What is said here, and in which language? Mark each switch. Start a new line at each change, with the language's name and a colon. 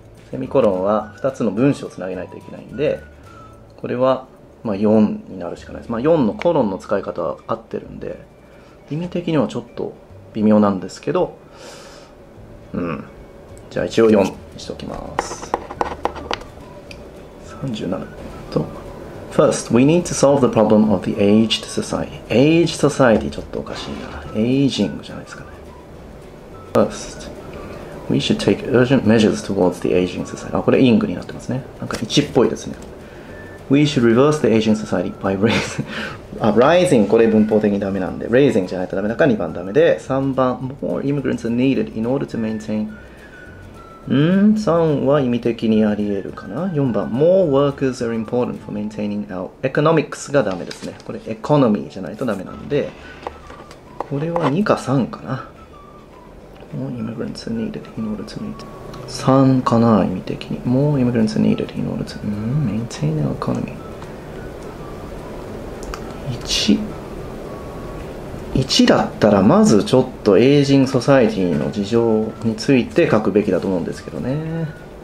Japanese: セミコロンは2つの文章をつなげないといけないんで、これは、まあ、4になるしかないです。まあ、4のコロンの使い方は合ってるんで、意味的にはちょっと、微妙なんですけど、うん、じゃあ一応4にしておきます。 37と
English: First, we need to solve the problem of the aged society. Aged society
Japanese: ちょっとおかしいな。Aging じゃないですかね。
English: First, we should take urgent measures towards the aging society.
Japanese: あ、これ ing になってますね。なんか1っぽいですね。
English: We should reverse the aging society by raising あ、rising、
Japanese: これ文法的にダメなんで、
English: raising
Japanese: じゃないとダメだから2番ダメで、3番、
English: more immigrants are needed in order to maintain。ん？
Japanese: 3 は意味的にあり得るかな。
English: 4番、more workers are important for maintaining our economics
Japanese: がダメですね。これ、economy じゃないとダメなんで、これは2か3かな。
English: more immigrants are needed in order to maintain。
Japanese: 3かな、意味的に。
English: more immigrants are needed in order to maintain our economy。
Japanese: 1だったらまずちょっとエイジングソサイティの事情について書くべきだと思うんですけどね。